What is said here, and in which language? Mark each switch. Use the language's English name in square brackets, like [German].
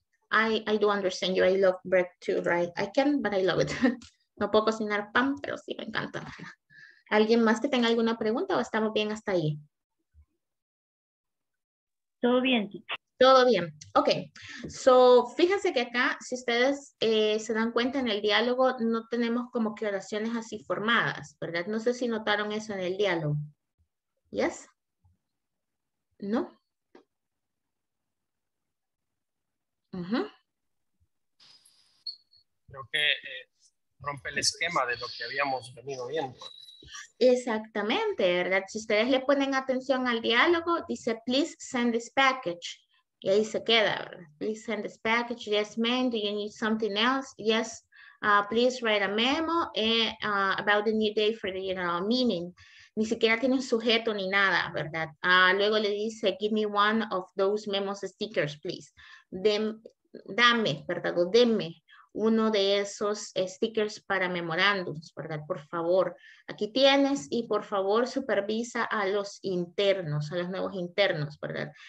[English] I do understand you. I love bread too, right? I can, but I love it. [Spanish] No puedo cocinar pan, pero sí me encanta. ¿Alguien más que tenga alguna pregunta o estamos bien hasta ahí? Todo bien, sí. Todo bien. Ok. So, fíjense que acá, si ustedes se dan cuenta en el diálogo, no tenemos como que oraciones así formadas, ¿verdad? No sé si notaron eso en el diálogo. ¿Yes? ¿No? Creo que rompe el esquema de lo que habíamos venido viendo. Exactamente, ¿verdad? Si ustedes le ponen atención al diálogo, dice, [English] please send this package. [Spanish] Y ahí se queda, ¿verdad? [English] Please send this package. Yes, ma'am, do you need something else? Yes, please write a memo about the new day for the general meeting. [Spanish] Ni siquiera tiene un sujeto ni nada, ¿verdad? Luego le dice, [English] give me one of those memos stickers, please. [Spanish] Dame, ¿verdad? O deme uno de esos stickers para memorándums, ¿verdad? Por favor, aquí tienes y por favor supervisa a los internos, a los nuevos internos, ¿verdad?